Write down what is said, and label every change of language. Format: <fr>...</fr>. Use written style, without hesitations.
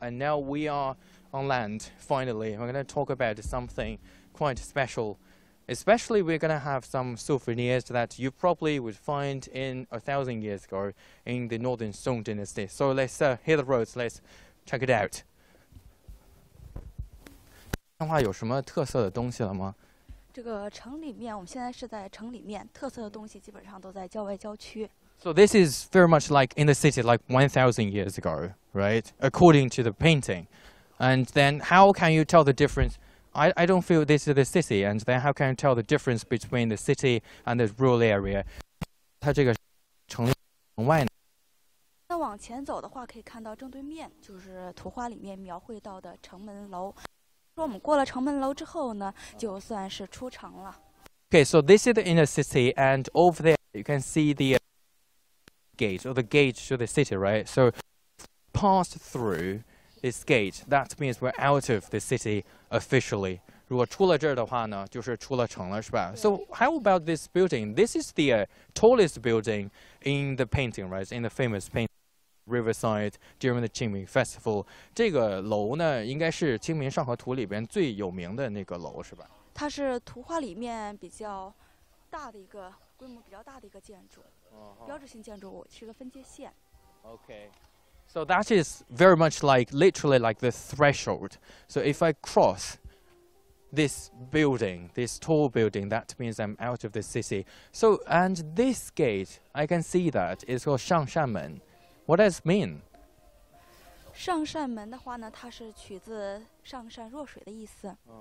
<en>And now we are on land finally. We're going to talk about something quite special. Especially, we're going to have some souvenirs that you probably would find in 1,000 years ago in the Northern Song Dynasty. So let's hit the roads, let's check it out.</en> <zh>有什么特色的东西了吗？这个城里面，我们现在是在城里面，特色的东西基本上都在郊外郊区。</zh> <en>So this is very much like in the city, like 1,000 years ago, right? According to the painting. And then how can you tell the difference? I don't feel this is the city. And then how can you tell the difference between the city and the rural area?</en> <zh>它这个城里城外呢？那往前走的话，可以看到正对面就是图画里面描绘到的城门楼。说我们过了城门楼之后呢，就算是出城了。</zh> <en>Okay, so this is the inner city, and over there you can see the gate or the gate to the city, right? So passed through this gate, that means we're out of the city officially.</en> <zh>如果出了这儿的话呢，就是出了城了，是吧 ？</zh> <en>So how about this building? This is the tallest building in the painting, right? In the famous painting. Riverside during the Qingming Festival.</en> <zh>这个楼呢，应该是清明上河图里边最有名的那个楼，是吧？它是图画里面比较大的一个规模比较大的一个建筑，标志性建筑物，是个分界线。Okay.</zh> <en>So that is very much like literally like the threshold. So if I cross this building, this tall building, that means I'm out of the city. So, and this gate, I can see that it's called 上山门. What does it mean?</en> <zh>上山门的话呢，它是取自上善若水的意思。</zh>